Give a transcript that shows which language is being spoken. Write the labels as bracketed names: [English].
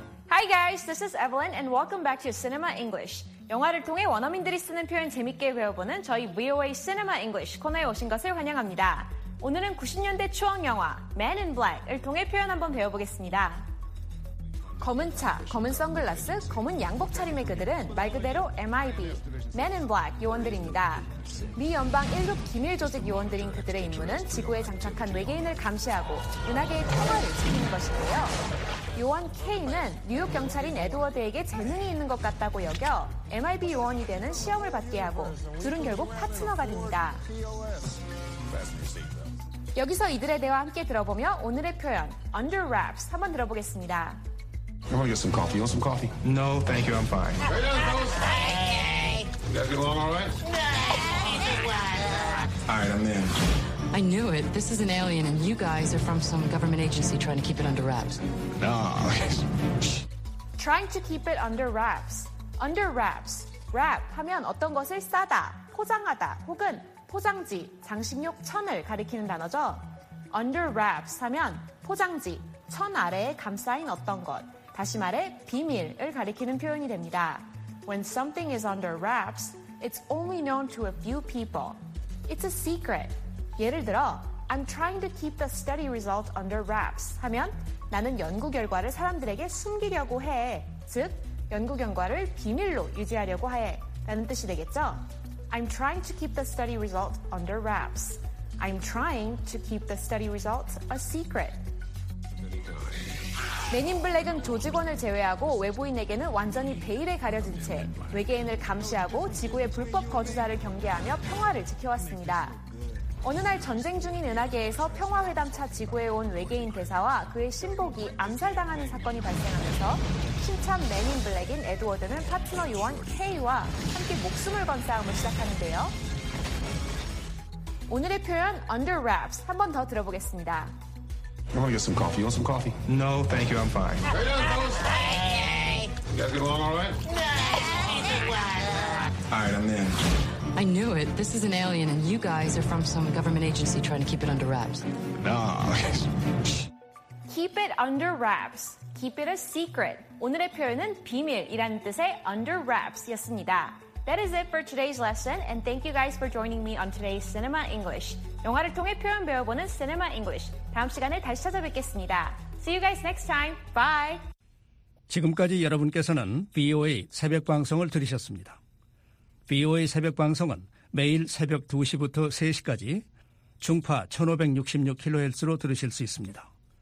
[English] Hi guys, this is Evelyn and welcome back to Cinema English. [Korean] 영화를 통해 원어민들이 쓰는 표현 재밌게 배워보는 저희 VOA Cinema English 코너에 오신 것을 환영합니다. 오늘은 90년대 추억 영화 Man in Black을 통해 표현 한번 배워보겠습니다. 검은 차, 검은 선글라스, 검은 양복 차림의 그들은 말 그대로 MIB, Man in Black 요원들입니다. 미 연방 1급 기밀조직 요원들인 그들의 임무는 지구에 장착한 외계인을 감시하고 은하계의 평화를 지키는 것인데요. 요원 K는 뉴욕 경찰인 에드워드에게 재능이 있는 것 같다고 여겨 MIB 요원이 되는 시험을 받게 하고 둘은 결국 파트너가 됩니다. 여기서 이들의 대화 함께 들어보며 오늘의 표현 Under Wraps 한번 들어보겠습니다. [English] I want to get some coffee. You want some coffee? No, thank you. I'm fine. How you doing, folks? Hey. You guys get along all right? Yeah. All right, I'm in. I knew it. This is an alien, and you guys are from some government agency trying to keep it under wraps. No. Trying to keep it under wraps. Under wraps. [Korean] Wrap 하면 어떤 것을 싸다, 포장하다, 혹은 포장지, 장식용 천을 가리키는 단어죠. Under wraps 하면 포장지, 천 아래에 감싸인 어떤 것. 다시 말해 비밀을 가리키는 표현이 됩니다. [English] When something is under wraps, it's only known to a few people. It's a secret. [Korean] 예를 들어, [English] I'm trying to keep the study result under wraps [Korean] 하면 나는 연구 결과를 사람들에게 숨기려고 해. 즉, 연구 결과를 비밀로 유지하려고 해. 라는 뜻이 되겠죠? [English] I'm trying to keep the study result under wraps. I'm trying to keep the study result a secret. [Korean] 맨인블랙은 조직원을 제외하고 외부인에게는 완전히 베일에 가려진 채 외계인을 감시하고 지구의 불법 거주자를 경계하며 평화를 지켜왔습니다. 어느 날 전쟁 중인 은하계에서 평화회담차 지구에 온 외계인 대사와 그의 신복이 암살당하는 사건이 발생하면서 신참 맨인블랙인 에드워드는 파트너 요원 K와 함께 목숨을 건 싸움을 시작하는데요. 오늘의 표현 Under Wraps 한 번 더 들어보겠습니다. [English] I want to get some coffee. You want some coffee? No, thank you. I'm fine. How you doing, folks? Hey. You guys get along all right? Yeah. All right, I'm in. I knew it. This is an alien, and you guys are from some government agency trying to keep it under wraps. No. Keep it under wraps. Keep it a secret. [Korean] 오늘의 표현은 비밀이라는 뜻의 under wraps였습니다. [English] That is it for today's lesson, and thank you guys for joining me on today's Cinema English. [Korean] 영화를 통해 표현 배워보는 Cinema English. 다음 시간에 다시 찾아뵙겠습니다. [English] See you guys next time. Bye! [Korean] 지금까지 여러분께서는 VOA 새벽 방송을 들으셨습니다. VOA 새벽 방송은 매일 새벽 2시부터 3시까지 중파 1566kHz로 들으실 수 있습니다.